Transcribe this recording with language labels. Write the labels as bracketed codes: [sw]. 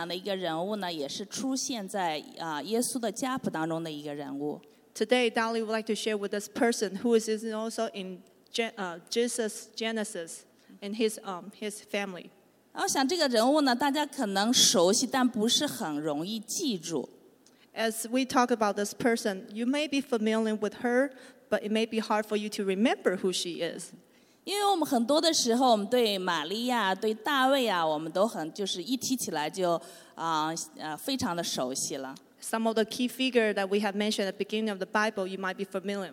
[zh] 那今天早上我和大家一同来分享的一个人物呢，也是出现在 耶稣的家谱当中的一个人物。 [en] Today, Dolly would like to share with this person who is also in Jesus Genesis in his family. [zh] 我想这个人物呢，大家可能熟悉，但不是很容易记住。 [en] As we talk about this person, you may be familiar with her, but it may be hard for you to remember who she is. [zh] 因为我们很多的时候，我们对玛利亚，对大卫啊，我们都很就是一提起来就非常的熟悉了。 [en] Some of the key figures that we have mentioned at the beginning of the Bible, you might be familiar.